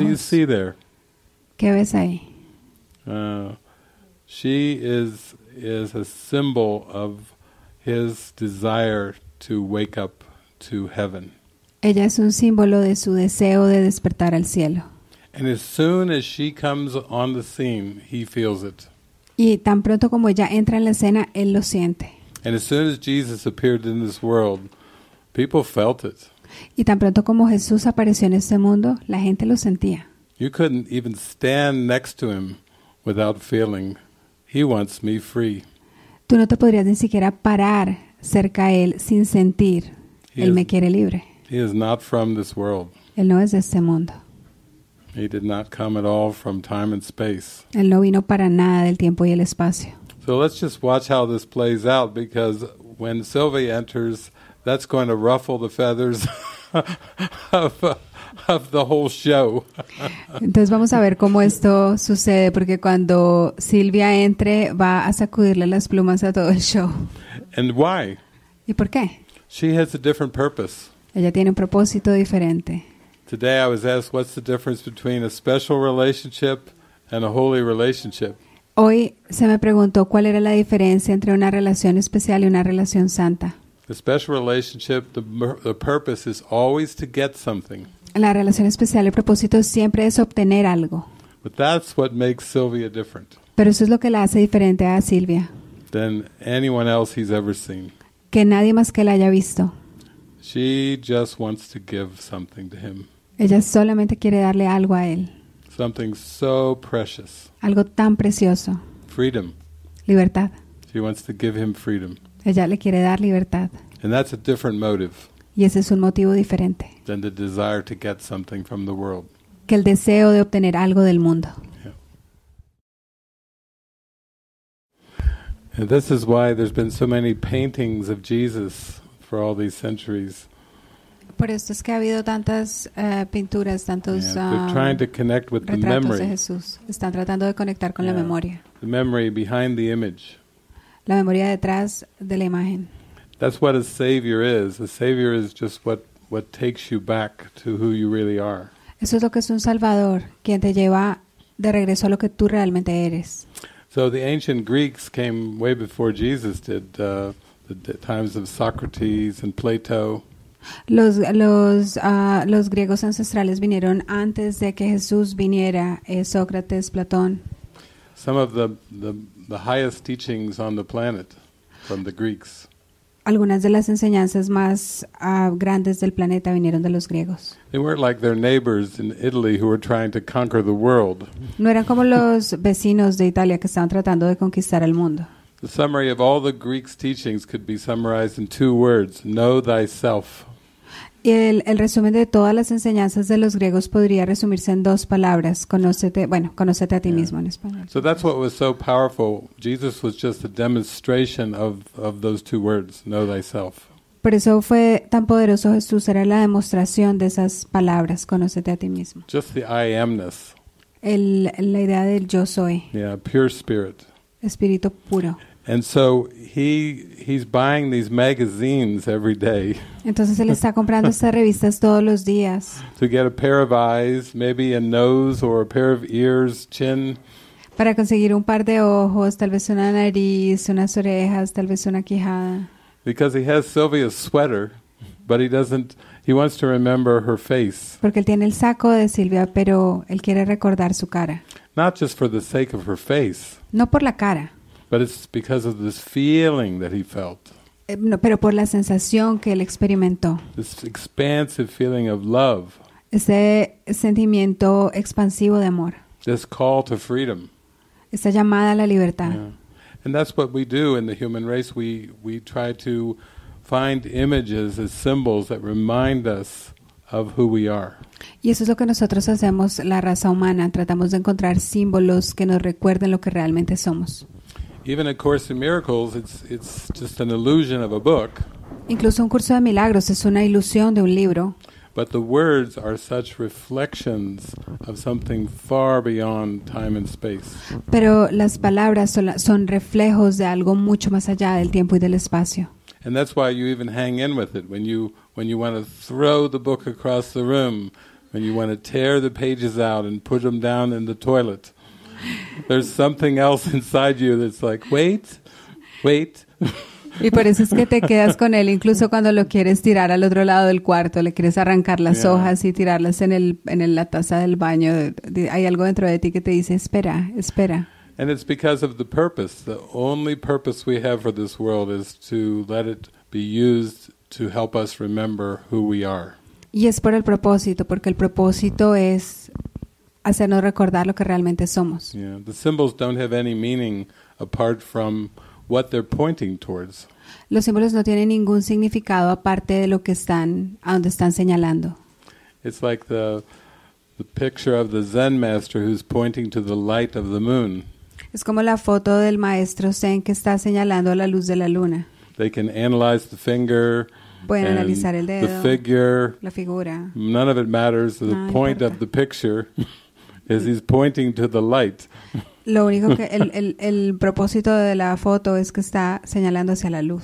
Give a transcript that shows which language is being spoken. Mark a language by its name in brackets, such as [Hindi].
[English] What do you see there? [Spanish] ¿Qué ves ahí? [English] She is a symbol of his desire to wake up to heaven. [Spanish] Ella es un símbolo de su deseo de despertar al cielo. [English] And as soon as she comes on the scene, he feels it. [Spanish] Y tan pronto como ella entra en la escena, él lo siente. [English] And as soon as Jesus appeared in this world, people felt it. [Spanish] Y tan pronto como Jesús apareció en este mundo, la gente lo sentía. [English] You couldn't even stand next to him without feeling, he wants me free. [Spanish] Tú no te podrías ni siquiera parar cerca a él sin sentir, él me quiere libre. [English] He is not from this world. [Spanish] Él no es de este mundo. [English] He did not come at all from time and space. [Spanish] Él no vino para nada del tiempo y el espacio. [English] So let's just watch how this plays out, because when Sylvia enters, that's going to ruffle the feathers of the whole show. [Spanish] Entonces vamos a ver cómo esto sucede, porque cuando Silvia entre, va a sacudirle las plumas a todo el show. [English] And why? [Spanish] ¿Y por qué? [English] She has a different purpose. [Spanish] Ella tiene un propósito diferente. [English] Today I was asked, what's the difference between a special relationship and a holy relationship? [Spanish] Hoy se me preguntó cuál era la diferencia entre una relación especial y una relación santa. [English] The special relationship, the purpose is always to get something. [Spanish] La relación especial, el propósito siempre es obtener algo. [English] But that's what makes Sylvia different. [Spanish] Pero eso es lo que la hace diferente a Silvia. [English] Than anyone else he's ever seen. [Spanish] Que nadie más que la haya visto. [English] She just wants to give something to him. [Spanish] Ella solamente quiere darle algo a él. [English] Something so precious. [Spanish] Algo tan precioso. [English] Freedom. [Spanish] Libertad. [English] She wants to give him freedom. [Spanish] Ella le quiere dar libertad. [English] And that's a different motive. [Spanish] Y ese es un motivo diferente. [English] Than the desire to get something from the world. [Spanish] Que el deseo de obtener algo del mundo. [English] Yeah. And this is why there's been so many paintings of Jesus for all these centuries. [Spanish] Por esto es que ha habido tantas pinturas, tantos retratos de Jesús. Están tratando de conectar con la memoria. [English] The memory behind the image. [Spanish] La memoria detrás de la imagen. [English] That's what a savior is. A savior is just what takes you back to who you really are. [Spanish] Eso es lo que es un salvador, quien te lleva de regreso a lo que tú realmente eres. [English] So the ancient Greeks came way before Jesus did. The times of Socrates and Plato. [Spanish] Los griegos ancestrales vinieron antes de que Jesús viniera, Sócrates, Platón. [English] Some of the highest teachings on the planet from the Greeks. [Spanish] Algunas de las enseñanzas más grandes del planeta vinieron de los griegos. [English] They weren't like their neighbors in Italy who were trying to conquer the world. [Spanish] No eran como los vecinos de Italia que estaban tratando de conquistar el mundo. [English] The summary of all the Greeks' teachings could be summarized in two words: know thyself. [Spanish] Y el resumen de todas las enseñanzas de los griegos podría resumirse en dos palabras: conócete, bueno, conócete a ti mismo en español. [English] So that's what was so powerful. Jesus was just a demonstration of those two words: know thyself. [Spanish] Por eso fue tan poderoso Jesús, era la demostración de esas palabras: conócete a ti mismo. [English] Just the I am-ness. [Spanish] La idea del yo soy. [English] Yeah, pure spirit. [Spanish] Espíritu puro. [English] And so he's buying these magazines every day. [Spanish] Entonces él está comprando estas revistas todos los días. [English] To get a pair of eyes, maybe a nose or a pair of ears, chin. [Spanish] Para conseguir un par de ojos, tal vez una nariz, unas orejas, tal vez una quijada. [English] Because he has Sylvia's sweater, but he wants to remember her face. [Spanish] Porque él tiene el saco de Silvia, pero él quiere recordar su cara. [English] Not just for the sake of her face. [Spanish] No por la cara. [English] But it's because of this feeling that he felt. [Spanish] No, pero por la sensación que él experimentó. [English] This expansive feeling of love. [Spanish] Ese sentimiento expansivo de amor. [English] This call to freedom. [Spanish] Esa llamada a la libertad. [English] Yeah. And that's what we do in the human race. We try to find images as symbols that remind us of who we are. [Spanish] Y eso es lo que nosotros hacemos, la raza humana. Tratamos de encontrar símbolos que nos recuerden lo que realmente somos. [English] Even a Course in Miracles, it's just an illusion of a book. [Spanish] Incluso un curso de milagros es una ilusión de un libro. [English] But the words are such reflections of something far beyond time and space. [Spanish] Pero las palabras son reflejos de algo mucho más allá del tiempo y del espacio. [English] And that's why you even hang in with it when you want to throw the book across the room, when you want to tear the pages out and put them down in the toilet. There's something else inside you that's like, wait. [Spanish] Y por eso es que te quedas con él incluso cuando lo quieres tirar al otro lado del cuarto, le quieres arrancar las hojas y tirarlas en la taza del baño. Hay algo dentro de ti que te dice, espera. [English] And it's because of the purpose. The only purpose we have for this world is to let it be used to help us remember who we are. [Spanish] Y es por el propósito, porque el propósito es hacernos recordar lo que realmente somos. [English] Yeah, the symbols don't have any meaning apart from what they're pointing towards. [Spanish] Los símbolos no tienen ningún significado aparte de lo que están, a donde están señalando. [English] It's like the picture of the Zen master who's pointing to the light of the moon. [Spanish] Es como la foto del maestro Zen que está señalando a la luz de la luna. [English] They can analyze the finger. [Spanish] Pueden analizar el dedo. [English] The figure. [Spanish] La figura. [English] None of it matters. The point of the picture. Is he's pointing to the light. [Spanish] Lo único que el propósito de la foto es que está señalando hacia la luz.